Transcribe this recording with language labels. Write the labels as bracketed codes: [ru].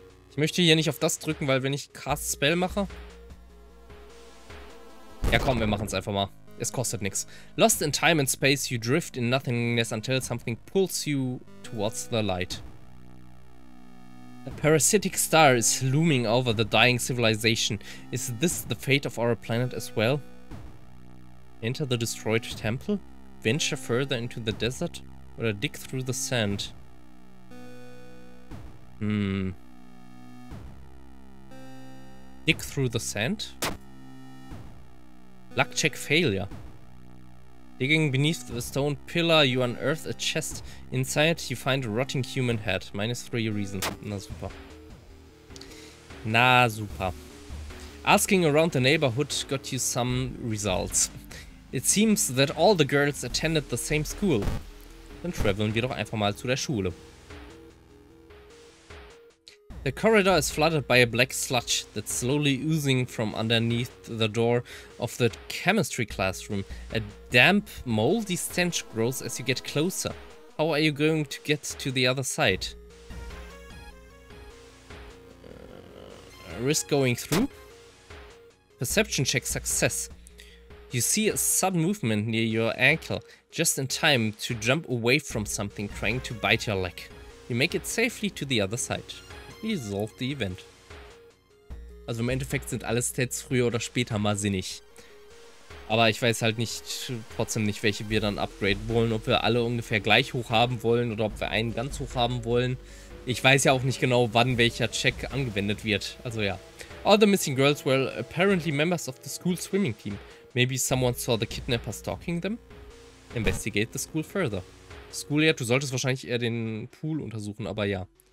[de] Ich möchte hier nicht auf das drücken, weil wenn ich Cast Spell mache... Ja komm, wir machen es einfach mal. Es kostet nichts. [en] Lost in time and space, you drift in nothingness until something pulls you towards the light. A parasitic star is looming over the dying civilization. Is this the fate of our planet as well? Enter the destroyed temple? Venture further into the desert? Oder dig through the sand? Dig through the sand? Luck check failure. Digging beneath the stone pillar, you unearth a chest. Inside, you find a rotting human head. Minus 3 reasons. [de] Na super. Na super. [en] Asking around the neighborhood got you some results. It seems that all the girls attended the same school. [de] Dann traveln wir doch einfach mal zu der Schule. [en] The corridor is flooded by a black sludge that's slowly oozing from underneath the door of the chemistry classroom. A damp, moldy stench grows as you get closer. How are you going to get to the other side? Risk going through? Perception check success. You see a sudden movement near your ankle, just in time to jump away from something trying to bite your leg. You make it safely to the other side. Resolve the event. [de] Also im Endeffekt sind alle Stats früher oder später mal sinnig. Aber ich weiß halt nicht, trotzdem nicht, welche wir dann upgraden wollen. Ob wir alle ungefähr gleich hoch haben wollen oder ob wir einen ganz hoch haben wollen. Ich weiß ja auch nicht genau, wann welcher Check angewendet wird. Also ja. [en] All the missing girls were apparently members of the school swimming team. Maybe someone saw the kidnappers stalking them? Investigate the school further. [de] School, ja, du solltest wahrscheinlich eher den Pool untersuchen, aber ja.